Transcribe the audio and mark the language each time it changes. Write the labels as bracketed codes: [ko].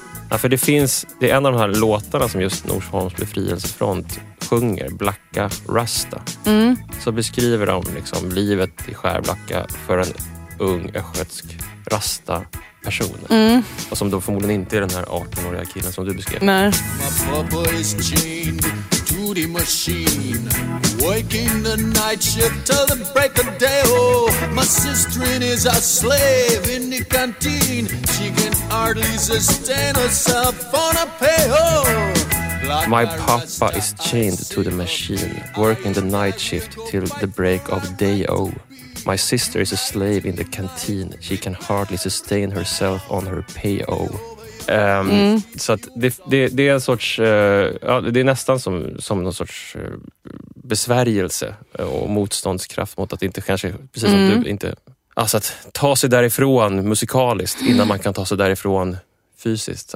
[sv] Ja, för det är en av de här låtarna som just Norsholms befrielsefront sjunger, Blacka Rasta. Mm. Så beskriver de liksom livet i Skärblacka för en ung östgötsk rasta person. Mm. Och som då förmodligen inte är den här 18-åriga killen som du beskrev. Nej. [en] My papa is chained to the machine, working the night shift till the break of day. Oh, my sister is a slave in the canteen. She can hardly sustain herself on a pay. My papa is chained to the machine, working the night shift till the break of day. Oh, my sister is a slave in the canteen. She can hardly sustain herself on her pay. Oh, [sv] Så att det är en sorts, det är nästan som någon sorts besvärjelse och motståndskraft mot att inte kanske, precis som du, inte, alltså att ta sig därifrån musikaliskt innan man kan ta sig därifrån fysiskt.